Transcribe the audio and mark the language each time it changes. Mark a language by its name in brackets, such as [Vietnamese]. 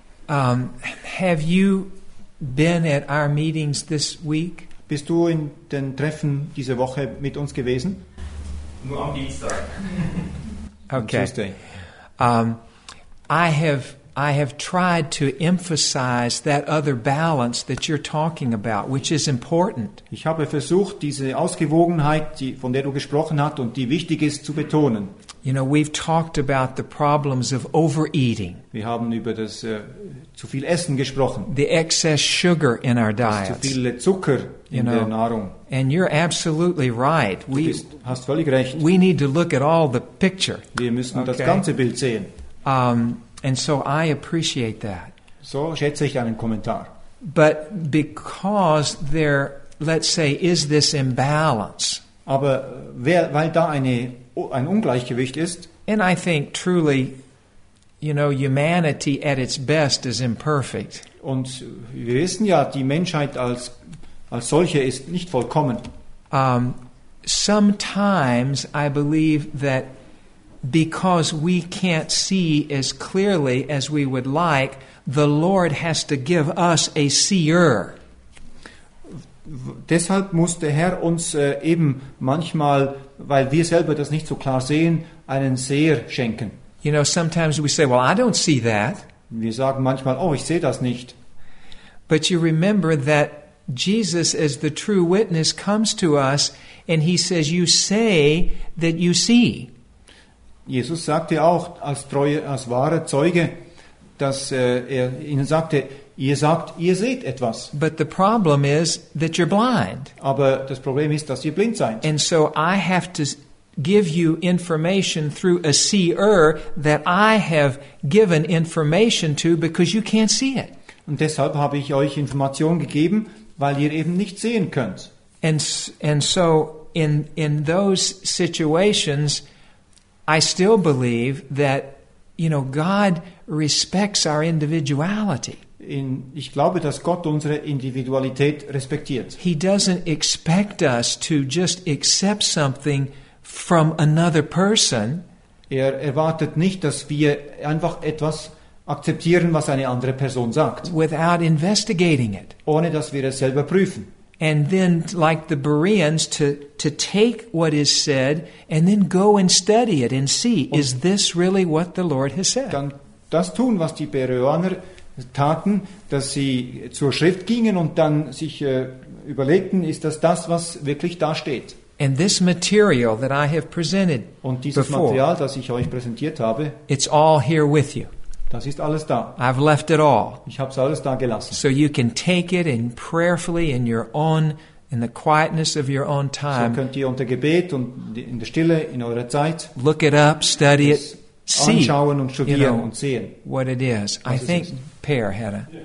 [English] Have you been at our meetings this week? [German] Bist du in den Treffen diese Woche mit uns gewesen? Nur am Dienstag. [English] Okay. Tuesday. I have tried to emphasize that other balance that you're talking about, which is important. [German] Ich habe versucht, diese Ausgewogenheit, von der du gesprochen hast und die wichtig ist, zu betonen. [English] You know, we've talked about the problems of overeating. [German] Wir haben über das zu viel Essen gesprochen. [English] The excess sugar in our diets. [German] Zu viel Zucker in der Nahrung. [English] And you're absolutely right. [German] Hast völlig recht. [English] We need to look at all the picture. [German] Wir müssen das ganze Bild sehen. [English] And so I appreciate that. [German] So schätze ich einen Kommentar. [English] But because there, let's say, is this imbalance. [German] Aber weil da ein Ungleichgewicht ist. [English] And I think truly, you know, humanity at its best is imperfect. [German] Und wir wissen ja, die Menschheit als solche ist nicht vollkommen. [English] Sometimes I believe that because we can't see as clearly as we would like, the Lord has to give us a seer. [German] Deshalb muss der Herr uns eben manchmal, weil wir selber das nicht so klar sehen, einen Seher schenken. [English] You know, sometimes we say, well, I don't see that. [German] Wir sagen manchmal, oh, ich sehe das nicht. [English] But you remember that Jesus, as the true witness, comes to us and he says, you say that you see. [German] Jesus sagte auch als wahrer Zeuge, dass er ihnen sagte, ihr sagt, ihr seht etwas. [English] But the problem is that you're blind. [German] Aber das Problem ist, dass ihr blind seid. [English] And so I have to give you information through a seer that I have given information to because you can't see it. [German] Und deshalb habe ich euch Informationen gegeben, weil ihr eben nicht sehen könnt. [English] And so in those situations, I still believe that, you know, God respects our individuality. [German] ich glaube, dass Gott unsere Individualität respektiert. [English] He doesn't expect us to just accept something from another person. [German] Er erwartet nicht, dass wir einfach etwas akzeptieren, was eine andere Person sagt. [English] Without investigating it. [German] Ohne dass wir es selber prüfen. [English] And then, like the Bereans, to take what is said and then go and study it and see, [German] und [English] is this really what the Lord has said? [German] Dann das tun, was die Bereaner taten, dass sie zur Schrift gingen und dann sich überlegten, ist das das, was wirklich da steht? [English] And this material that I have presented [German] und dieses [English] before, [German] Material, das ich euch präsentiert habe, [English] it's all here with you. [German] Das ist alles da. [English] I've left it all. [German] Ich hab's alles da gelassen. [English] So you can take it and prayerfully in your own, in the quietness of your own time. [German] So könnt ihr unter Gebet und in der Stille in eurer Zeit [English] look it up, study it, [German] anschauen und studieren, [English] you know, [German] und sehen, [English] what it is. I think Per had a... Yeah.